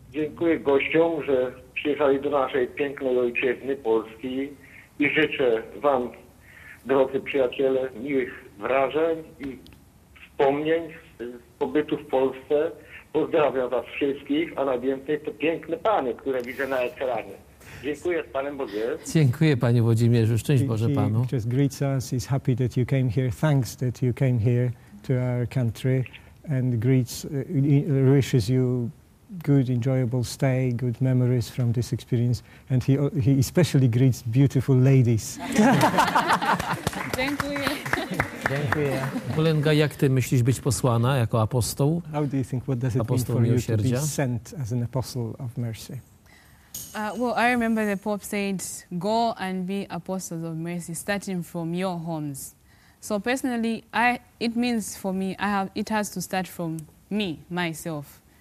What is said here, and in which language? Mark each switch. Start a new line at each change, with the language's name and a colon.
Polish: Dziękuję gościom, że przyjechali do naszej pięknej ojczyzny Polski i życzę wam, drodzy przyjaciele, miłych wrażeń i wspomnień z pobytu w Polsce. Pozdrawiam was wszystkich, a najwięcej to piękne panie, które widzę na ekranie. Dziękuję, z Panem Bogiem. Dziękuję, panie Włodzimierzu. Szczęść Boże panu.
English: He just greets us, he's happy that you came here. Thanks that you came here to our country. And greets, wishes you good, enjoyable stay, good memories from this experience. And he especially greets beautiful ladies.
Polish: Dziękuję. Dziękuję. Bolenga, jak ty myślisz być posłana jako apostoł?
English: How do you think, what does it apostoł mean for miłosierdzia? You to be sent as an apostle of mercy? Well, I remember the Pope said, go and be apostles of mercy, starting from your homes. So personally, it means for me, it has to start from me, myself.